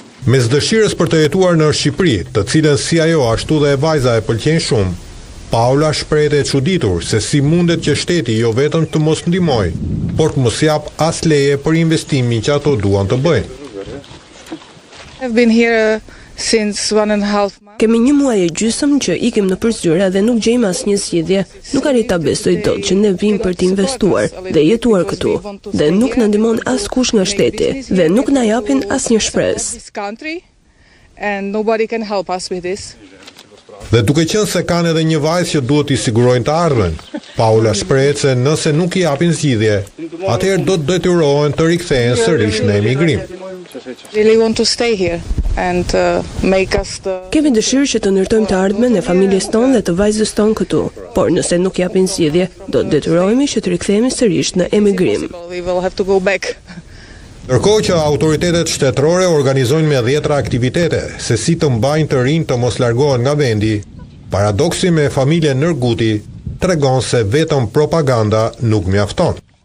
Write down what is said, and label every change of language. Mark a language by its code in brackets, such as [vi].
[sq] Mes dëshirës për të jetuar në Shqipëri, të cilën si ajo ashtu dhe e vajza e pëlqen shumë, Paula shprehet e çuditur se si mundet që shteti jo vetëm të mos ndihmoj, por të mos jap as leje për investimin që ato duan të bëjnë. [en] I've been here since 1.5 months. [sq] Kemi një muaj e gjysmë që ikim në përzyra dhe nuk gjejmë asnjë zgjidhje. Nuk arrit ta besoj dot që ne vim për të investuar dhe jetuar këtu. Dhe nuk na ndihmon askush nga shteti dhe nuk na japin asnjë shpresë. [en] And nobody can help us with this. [sq] Dhe duke qenë se kanë edhe një vajzë që duhet i sigurojnë të ardhmen, Paula shprehet se nëse nuk i japin zgjidhje, atëherë do të detyrohen të rikthehen sërish në emigrim. [en] Really want to stay here and make us the... [sq] Kemi dëshirë që të ndërtojmë të ardhmen e familjes tonë dhe të vajzës tonë këtu, por nëse nuk i japin zgjidhje, do të detyrohemi që të rikthehemi sërish në emigrim. Ndërkohë që autoritetet shtetërore organizojnë me 10 aktivitete se si të mbajnë të rinjtë të mos largohen nga vendi, paradoksi me familjen Nërguti tregon se vetëm propaganda nuk mjafton.